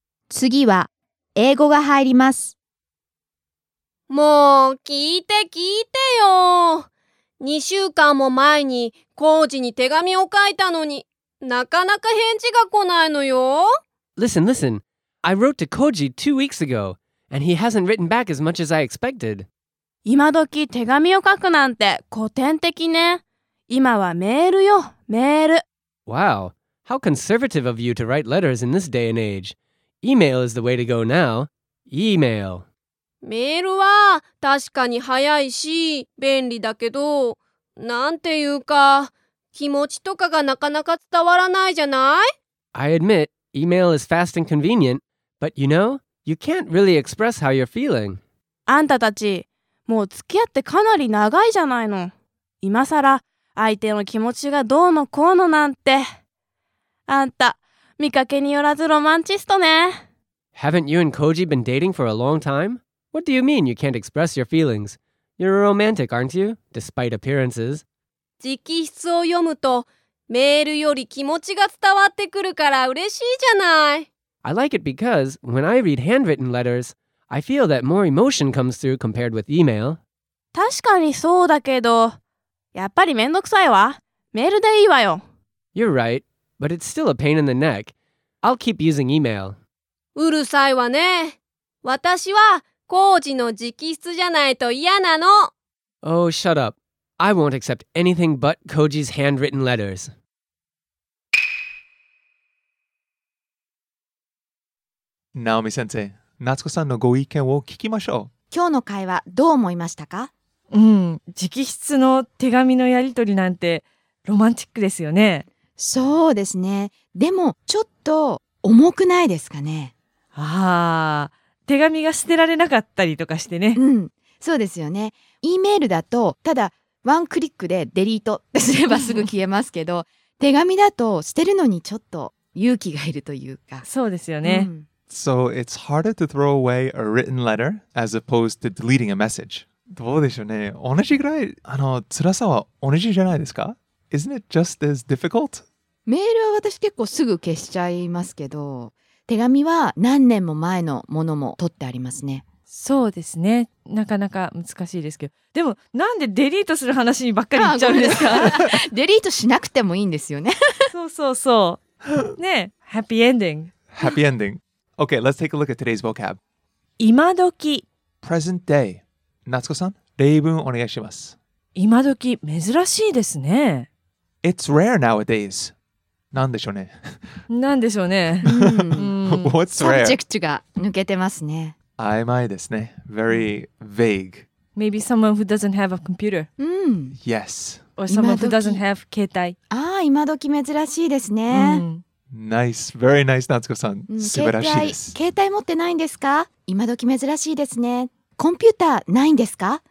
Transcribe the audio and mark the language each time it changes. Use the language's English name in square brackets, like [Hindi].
[Japanese] 次は英語が入ります。もう聞いて聞いてよ。 2週間も前に浩二に手紙を書いたのに、なかなか返事が来ないのよ。 [English] Listen, listen. I wrote to Koji 2 weeks ago, and he hasn't written back as much as I expected. [Japanese] 今時手紙を書くなんて古典的ね。今はメールよ、メール。 [English] Wow. How conservative of you to write letters in this day and age. Email is the way to go now. Email. [Japanese] メールは確かに早いし便利だけど、なんていうか気持ちとかがなかなか伝わらないじゃない? [English] I admit, email is fast and convenient, but you know, you can't really express how you're feeling. [Japanese] あんたたち、もう付き合ってかなり長いじゃないの。今さら相手の気持ちがどうのこうのなんて。あんた、見かけによらずロマンチストね。 [English] Haven't you and Koji been dating for a long time? What do you mean you can't express your feelings? You're a romantic, aren't you? Despite appearances. [Japanese] 直筆を読むと、メールより気持ちが伝わってくるから嬉しいじゃない。 [English] I like it because when I read handwritten letters, I feel that more emotion comes through compared with email. [Japanese] 確かにそうだけど、やっぱりめんどくさいわ。メールでいいわよ。 [English] You're right, but it's still a pain in the neck. I'll keep using email. [Japanese] うるさいわね。私は工事の直筆じゃないと嫌なの。 [English] Oh, shut up. I won't accept anything but Koji's handwritten letters. [Japanese] Naomi 先生、夏子さんのご意見を聞きましょう。今日の会話どう思いましたか？うん、直筆の手紙のやり取りなんてロマンチックですよね。そうですね。でもちょっと重くないですかね。ああ、手紙が捨てられなかったりとかしてね。うん、そうですよね。 Eメールだとただワンクリックでデリートってすればすぐ消えますけど手紙だと捨てるのにちょっと勇気がいるというか。そうですよね、うん、 [English] So it's harder to throw away a written letter as opposed to deleting a message. [Japanese] どうでしょうね、同じぐらい、あの辛さは同じじゃないですか。 [English] Isn't it just as difficult? [Japanese] メールは私結構すぐ消しちゃいますけど、手紙は何年も前のものも取ってありますね。そうですね、なかなか難しいですけど、でもなんでデリートする話にばっかり言っちゃうんですか。デリートしなくてもいいんですよね。そうそうそうね、ハッピーエンディング。ハッピーエンディング。 [English] OK, let's take a look at today's vocab. [Japanese] 今時、 [English] present day。 [Japanese] 夏子さん、例文お願いします。今時珍しいですね。 [English] It's rare nowadays。 [Japanese] なんでしょうね。なんでしょうね。 [English] What's rare? [Japanese] サブジェクトが抜けてますね。曖昧ですね。 [English] Very vague. Maybe someone who doesn't have a computer. Mm. Yes. Or someone who doesn't have 携帯。 [Japanese] ああ、今時珍しいですね。 [English] Nice. Very nice, 夏子さん。 [Japanese] 素晴らしいです。携帯持ってないんですか？今時珍しいですね。コンピューターないんですか？